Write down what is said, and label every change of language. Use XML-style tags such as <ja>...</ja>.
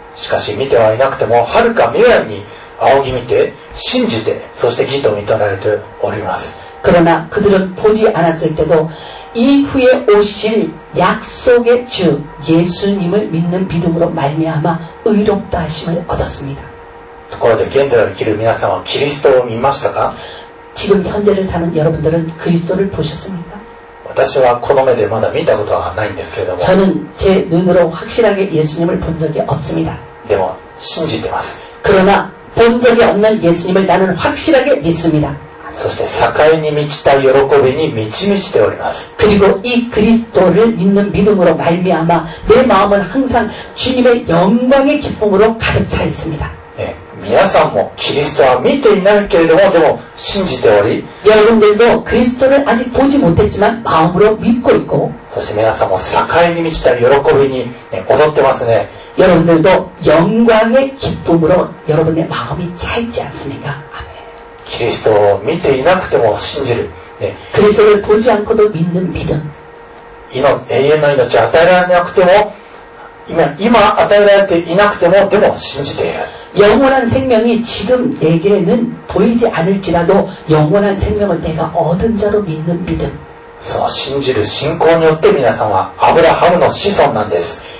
<ja>しかし見てはいなくても遥か未来に仰ぎ見て信じてそして義と認められております</ja> <ko>그러나그들은보지않았을때도이후에오실약속의주예수님을믿는믿음으로말미암아의롭다하심을얻었습니다</ko> <ja>ところで現在を生きる皆さんはキリストを見ましたか</ja> <ko>지금현재를사는여러분들은그리스도를보셨습니까</ko> <ja>私はこの目でまだ見たことはないんですけれども</ja> <ko>저는제눈으로확실하게예수님을본적이없습니다</ko> <ja>でも信じてます</ja> <ko>그러나본적이없는예수님을나는확실하게믿습니다</ko> <ja>そして栄えに満ちた喜びに満ち満ちております。</ja> <ko>그리고이그리스도를믿는믿음으로말미암아내마음은항상주님의영광의기쁨으로가득차있습니다。</ko> <ja>皆さんもキリストは見ていないけれども、でも信じており、</ja> <ko>여러분들도그리스도를아직보지못했지만마음으로믿고있고、</ko> <ja>そして皆さんも栄えに満ちた喜びに踊ってますね。</ja> <ko>여러분들도영광의기쁨으로여러분의마음이차있지않습니까。 아멘。</ko> <ja>キリストを見ていなくても信じる、</ja> <ko>그리스도를보지않고도믿는믿음、</ko> <ja>이는永遠の命与えられなくても、今与えられていなくても、でも信じている。</ja> <ko>영원한생명이지금내게는보이지않을지라도영원한생명을내가얻은자로믿는믿음、</ko> <ja>そう信じる信仰によって皆さんはアブラハムの子孫なんです。</ja>